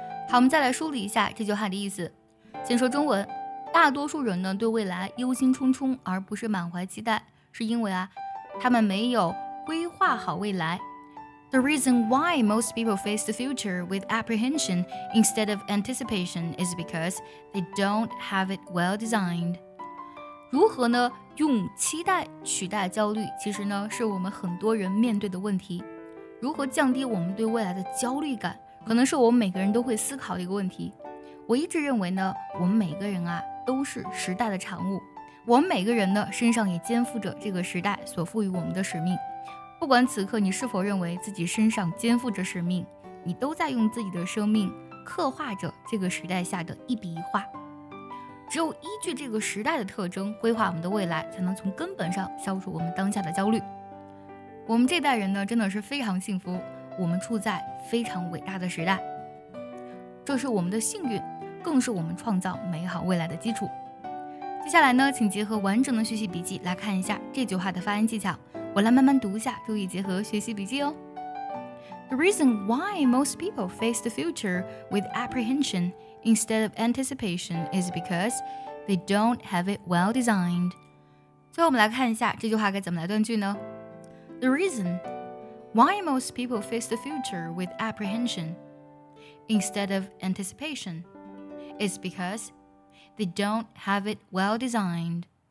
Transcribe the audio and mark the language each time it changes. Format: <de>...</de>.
<zh>好我们再来梳理一下这句话的意思先说中文，大多数人呢对未来忧心忡忡，而不是满怀期待，是因为啊，他们没有规划好未来。</zh> <en>The reason why most people face the future with apprehension instead of anticipation is because they don't have it well designed.</en> <zh>如何呢？用期待取代焦虑，其实呢是我们很多人面对的问题。如何降低我们对未来的焦虑感，可能是我们每个人都会思考的一个问题。我一直认为呢，我们每个人啊都是时代的产物，我们每个人呢身上也肩负着这个时代所赋予我们的使命。不管此刻你是否认为自己身上肩负着使命，你都在用自己的生命刻画着这个时代下的一笔一画。只有依据这个时代的特征规划我们的未来，才能从根本上消除我们当下的焦虑。我们这代人呢真的是非常幸福，我们处在非常伟大的时代。这是我们的幸运，更是我们创造美好未来的基础。接下来呢，请结合完整的学习笔记来看一下这句话的发音技巧。我来慢慢读一下，注意结合学习笔记哦。</zh> <en>The reason why most people face the future with apprehension instead of anticipation is because they don't have it well designed.</en> <zh>最后我们来看一下这句话该怎么来断句呢</zh> <en>The reason why most people face the future with apprehension instead of anticipation is because they don't have it well designed.</en>